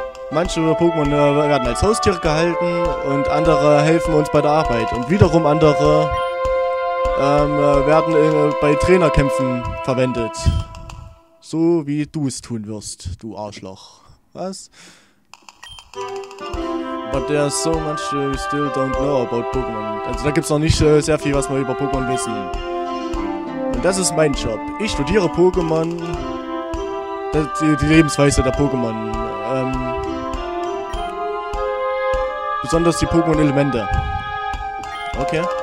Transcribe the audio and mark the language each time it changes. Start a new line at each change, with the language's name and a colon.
German: Manche Pokémon werden als Haustiere gehalten und andere helfen uns bei der Arbeit. Und wiederum andere werden bei Trainerkämpfen verwendet. So wie du es tun wirst, du Arschloch. Was?
English: But there are so much we still don't know about Pokémon.
German: Also da gibt's noch nicht sehr viel, was wir über Pokémon wissen. Und das ist mein Job. Ich studiere Pokémon. Die Lebensweise der Pokémon. Besonders die Pokémon-Elemente. Okay.